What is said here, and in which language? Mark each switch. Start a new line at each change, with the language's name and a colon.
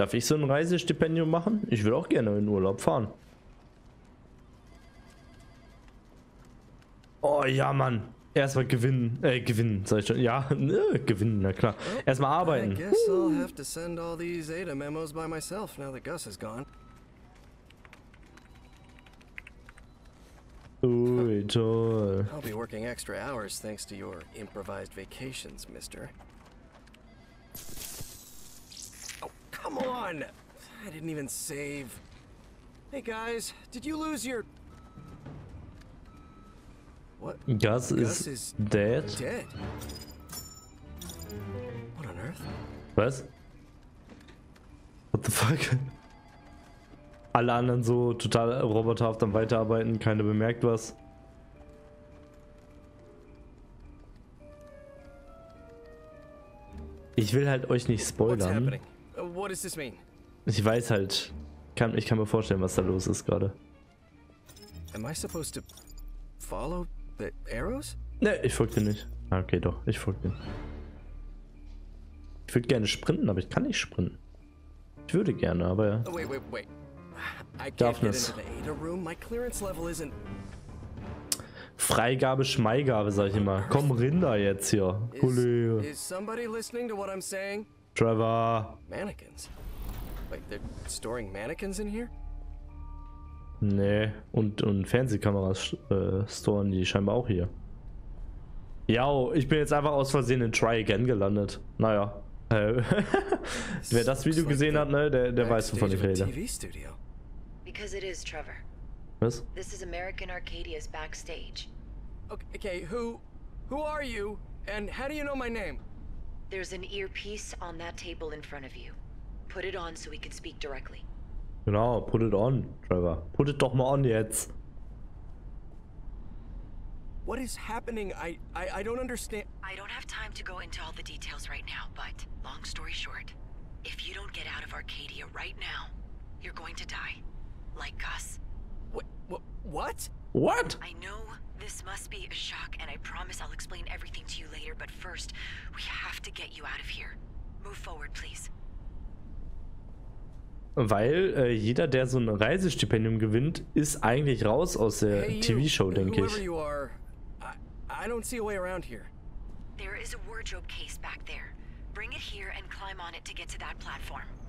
German: Darf ich so ein Reisestipendium machen? Ich will auch gerne in Urlaub fahren. Oh ja, Mann. Erstmal gewinnen, sag ich schon. Ja, gewinnen, na klar. Erstmal arbeiten.
English: I guess I'll have to send all these Ada memos by myself now that Gus is gone.
German: Ui, toll.
English: I'll be working extra hours thanks to your improvised vacations, mister. Oh, come on! I didn't even save. Hey guys, did you lose your... What? Gus is dead? Dead? What on earth?
German: Was?
English: What the fuck?
German: Alle anderen so total roboterhaft am Weiterarbeiten, keiner bemerkt was. Ich will halt euch nicht spoilern.
English: What does this mean?
German: Ich weiß halt, ich kann mir vorstellen, was da los ist gerade.
English: Am I supposed to follow the arrows?
German: Ne, ich folge dir nicht. Okay, doch, ich folge dir. Ich würde gerne sprinten, aber ich kann nicht sprinten. Ich würde gerne, aber ja.
English: Wait. I can't get into the Ada room. My clearance level isn't...
German: Freigabe, Schmeigabe, sag ich immer. Komm, Rinder jetzt hier.
English: Is somebody listening to what I'm saying? Trevor. Mannequins? Like they're storing mannequins in here?
German: Nee, und Fernsehkameras storen die scheinbar auch hier. Ja, ich bin jetzt einfach aus Versehen in Try Again gelandet. Naja. Wer das Video gesehen hat, ne, der weiß, wovon ich rede.
English: Because it is, Trevor.
German: Was?
English: This is American Arcadia's backstage. Okay, who are you, and how do you know my name? There's an earpiece on that table in front of you. Put it on so we can speak directly.
German: Genau,
English: put it on, Trevor. Put it
German: doch mal
English: on
German: jetzt.
English: What is happening? I don't understand. I don't have time to go into all the details right now, but long story short, if you don't get out of Arcadia right now, you're going to die. Like Gus. What? I know this must be a shock, and I promise I'll explain everything to you later, but first, we have to get you out of here. Move forward, please.
German: Weil jeder, der so ein Reisestipendium gewinnt, ist eigentlich raus aus der TV-Show, denke ich.
English: Whoever you are, I don't see a way around here. There is a wardrobe case back there. Bring it here and climb on it to get to that platform.